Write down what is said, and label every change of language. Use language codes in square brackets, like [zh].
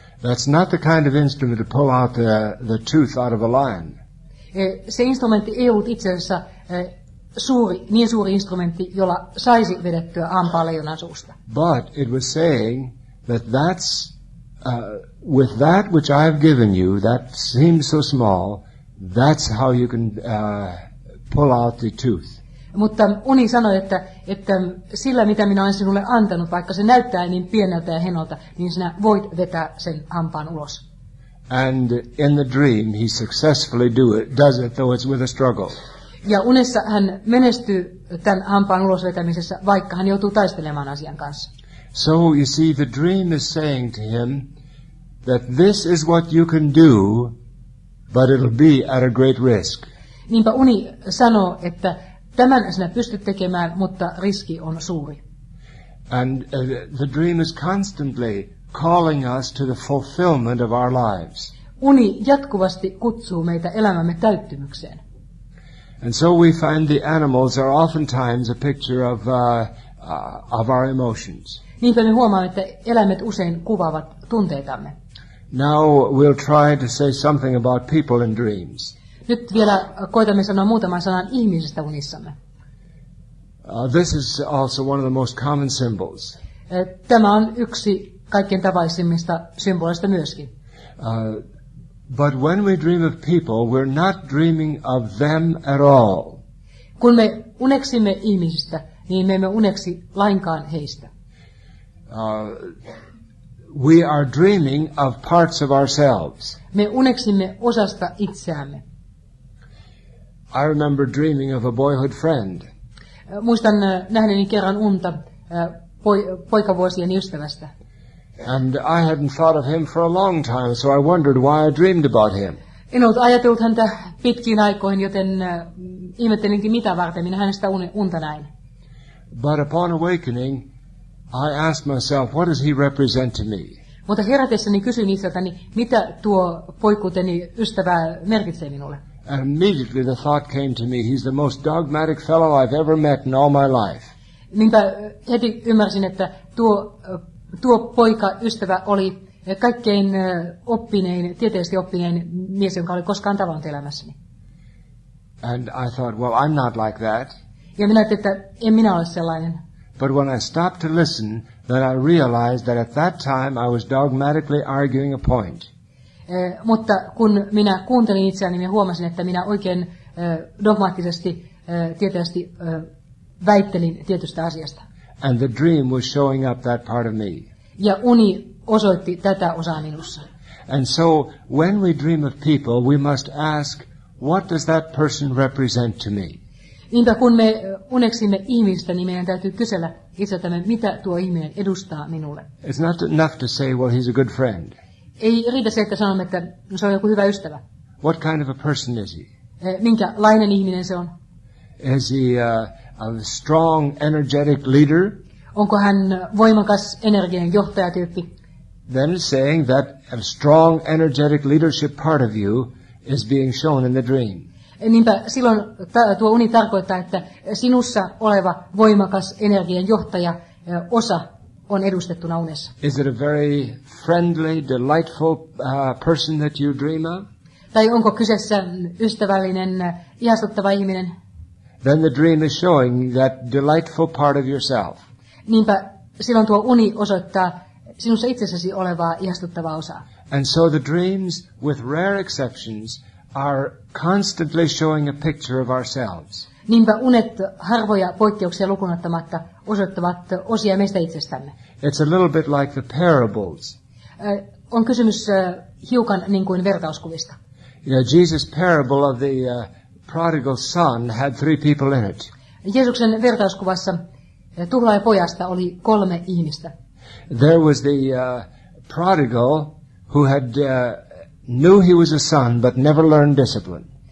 [en] That's not the kind of instrument to pull out the tooth out of a lion. [fi] Se instrumentti ei ollut itse asiassa niin suuri instrumentti, jolla saisi vedettyä hampaan leijonan suusta. [en] But it was saying that that's with that which I have given you, that seems so small, that's how you can pull out the tooth. [fi] Mutta uni sanoi, että sillä, mitä minä olen sinulle antanut, vaikka se näyttää niin pieneltä ja henolta, niin sinä voit vetää sen hampaan ulos. [en] And in the dream he successfully does it, though it's with a struggle. [fi] Ja unessa hän menestyy tämän hampaan ulosvetämisessä, vaikka hän joutuu taistelemaan asian kanssa. [en] So you see, the dream is saying to him that this is what you can do, but it'll be at a great risk. [fi] Niinpä uni sanoo, että tämän sinä pystyt tekemään, mutta riski on suuri. [en] And the dream is constantly calling us to the fulfillment of our lives. [fi] Uni jatkuvasti kutsuu meitä elämämme täyttymykseen. [en] And so we find the animals are oftentimes a picture of our emotions. [fi] Niinpä me huomaamme, että eläimet usein kuvaavat tunteitamme. [en] Now we'll try to say something about people in dreams. [fi] Nyt vielä koitamme sanoa muutaman sanan ihmisestä unissamme. [en] This is also one of the most common symbols. [fi] Tämä on yksi kaikkein tavallisimmista symboleista myöskin. [en] But when we dream of people, we're not dreaming of them at all. [fi] Kun me uneksimme ihmisistä, niin me emme uneksi lainkaan heistä. [en] We are dreaming of parts of ourselves. [fi] Me uneksimme osasta itseämme. [en] I remember dreaming of a boyhood friend. [fi] Muistan nähneeni kerran unta poikavuosien ystävästä. [en] And I hadn't thought of him for a long time, so I wondered why I dreamed about him. [fi] En ollut ajatellut häntä pitkiin aikoihin, joten ihmettelinkin mitä varten minä hänestä unta näin. [en] But upon awakening, I asked myself, what does he represent to me? [fi] Mutta herätessäni kysyin itseltäni, mitä tuo poikuuteni ystävä merkitsee minulle? [en] And immediately the thought came to me, he's the most dogmatic fellow I've ever met in all my life. [fi] Niinpä heti ymmärsin, että tuo poika ystävä oli kaikkein oppinein, tieteellisesti oppinein mies, jonka oli koskaan tavannut elämässäni. [en] And I thought, well, I'm not like that. [fi] Ja minä ajattelin, että en minä ole sellainen. [en] But when I stopped to listen, then I realized that at that time I was dogmatically arguing a point. [fi] Mutta kun minä kuuntelin itseäni, minä huomasin, että minä oikein dogmaattisesti, tieteellisesti väittelin tietystä asiasta. [en] And the dream was showing up that part of me. [fi] Ja uni osoitti tätä osaa minussa. [en] And so, when we dream of people, we must ask, what does that person represent to me? [fi] Niinpä kun me uneksimme ihmistä, niin meidän täytyy kysellä itseltämme, mitä tuo ihminen edustaa minulle. [en] It's not enough to say, well, he's a good friend. [fi] Ei riitä se, että sanomme, että se on joku hyvä ystävä. [en] What kind of a person is he? [fi] Minkälainen ihminen se on? [en] Is he a strong, energetic leader? [fi] Onko hän voimakas, energinen johtajatyyppi? [en] Then it's saying that a strong, energetic leadership part of you is being shown in the dream. [fi] Niinpä silloin tuo uni tarkoittaa, että sinussa oleva voimakas, energinen johtaja osa on edustettuna unessa. [en] Is it a very friendly, delightful person that you dream of? [fi] Tai onko kyseessä ystävällinen, ihastuttava ihminen? [en] Then the dream is showing that delightful part of yourself. [fi] Niinpä silloin tuo uni osoittaa sinussa itsessäsi olevaa ihastuttavaa osaa. [en] And so the dreams, with rare exceptions, are constantly showing a picture of ourselves. [fi] Niinpä unet harvoja poikkeuksia lukuun ottamatta osoittavat osia meistä itsestämme. [en] It's a little bit like the parables. [fi] On kysymys hiukan niin kuin vertauskuvista. [en] You know, Jesus' parable of the prodigal son had three people in it. [fi] Jeesuksen vertauskuvassa tuhlaaja pojasta oli kolme ihmistä. [en] There was the prodigal who had knew he was a son but never learned discipline.